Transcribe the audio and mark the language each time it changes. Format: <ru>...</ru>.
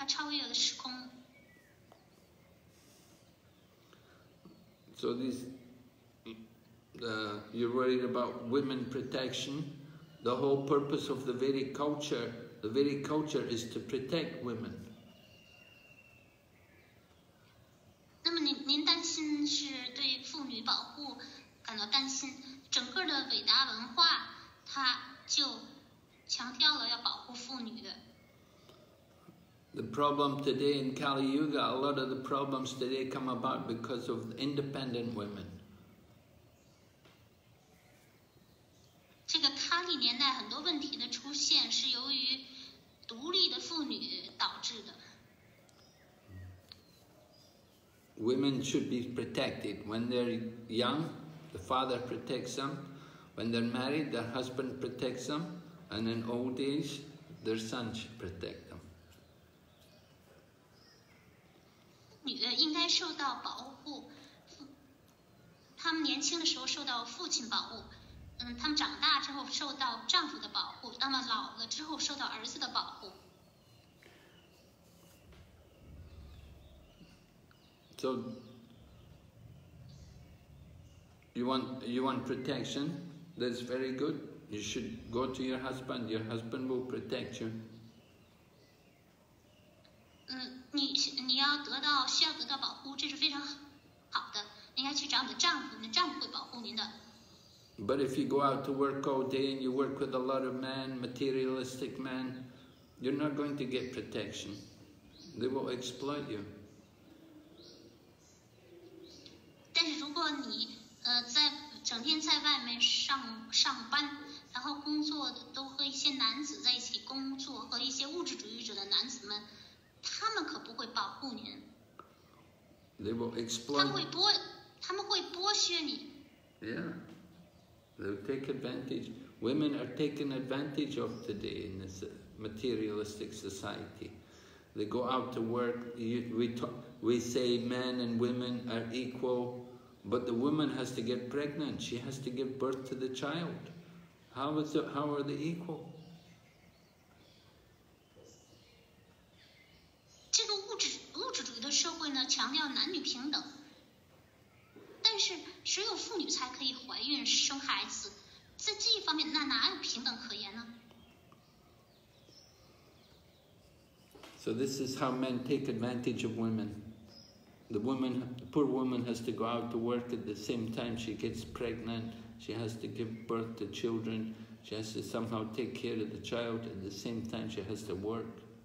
<en>It's absolute truth, it's beyond time and space. So you're worried about women protection. The whole purpose of the Vedic culture is to protect women.</en> <zh>那么您担心是对妇女保护感到担心，整个的伟大文化它就强调了要保护妇女。</zh> <en>The problem today in Kali Yuga, a lot of the problems today come about because of independent women.</en> <zh>这个卡利年代很多问题的出现是由于独立的妇女导致的。</zh> <en>Women should be protected. When they're young, the father protects them. When they're married, their husband protects them. And in old age, their son should protect them.</en> <zh>女的应该受到保护，她们年轻的时候受到父亲保护。他们长大之后受到丈夫的保护，他们老了之后受到儿子的保护。</zh> <en>So, you want protection? That's very good. You should go to your husband. Your husband will protect you.</en> <zh>你需要得到保护，这是非常好的。应该去找你的丈夫，你的丈夫会保护您的。</zh> <en>But if you go out to work all day and you work with a lot of men, materialistic men, you're not going to get protection. They will exploit you.</en> <zh>但是如果你在整天在外面上班，然后工作都和一些男子在一起工作，和一些物质主义者的男子们，他们可不会保护您。</zh> <en>They will exploit.</en> <zh>他们会剥削你。</zh> <en>Yeah. They'll take advantage. Women are taken advantage of today in this materialistic society. They go out to work. We say men and women are equal, but the woman has to get pregnant. She has to give birth to the child. How are they equal? This materialistic society emphasizes gender equality.</en> <zh>但是只有妇女才可以怀孕生孩子，在这一方面那哪有平等可言呢？</zh> <en>So this is how men take advantage of women. The woman, the poor woman, has to go out to work at the same time she gets pregnant. She has to give birth to children. She has to somehow take care of the child at the same time she has to work.</en>